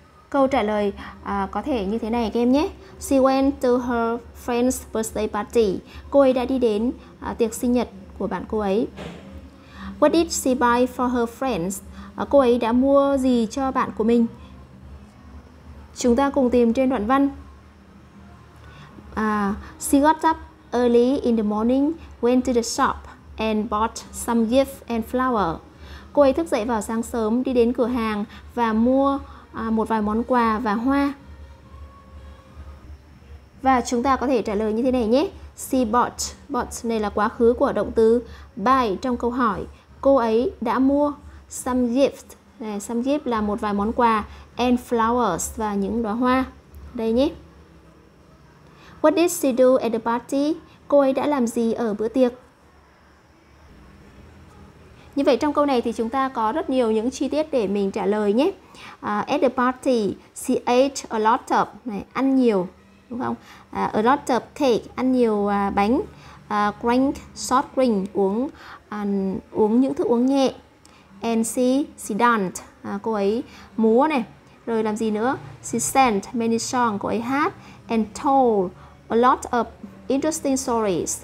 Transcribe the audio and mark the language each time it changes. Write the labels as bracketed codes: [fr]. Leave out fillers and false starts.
[vi] Câu trả lời có thể như thế này các em nhé. [en] She went to her friend's birthday party. [vi] Cô ấy đã đi đến tiệc sinh nhật của bạn cô ấy. [en] What did she buy for her friends? [vi] Cô ấy đã mua gì cho bạn của mình? Chúng ta cùng tìm trên đoạn văn. [en] She got up early in the morning, went to the shop and bought some gifts and flowers. [vi] Cô ấy thức dậy vào sáng sớm, đi đến cửa hàng và mua một vài món quà và hoa. Và chúng ta có thể trả lời như thế này nhé. [en] She bought. [vi] Bought này là quá khứ của động từ buy trong câu hỏi. Cô ấy đã mua [en] some gifts. [vi] Some gifts là một vài món quà. [en] And flowers [vi] và những đóa hoa. Đây nhé. [en] What did she do at the party? [vi] Cô ấy đã làm gì ở bữa tiệc? Như vậy trong câu này thì chúng ta có rất nhiều những chi tiết để mình trả lời nhé. [en] At the party, she ate a lot of. [vi] Này, ăn nhiều. Đúng không? [en] A lot of cake, [vi] ăn nhiều bánh. [en] Drank soft drink, [vi] uống những thức uống nhẹ. [en] And she danced. [vi] Cô ấy múa này. Rồi làm gì nữa? [en] She sang many songs, [vi] cô ấy hát. [en] And told a lot of interesting stories.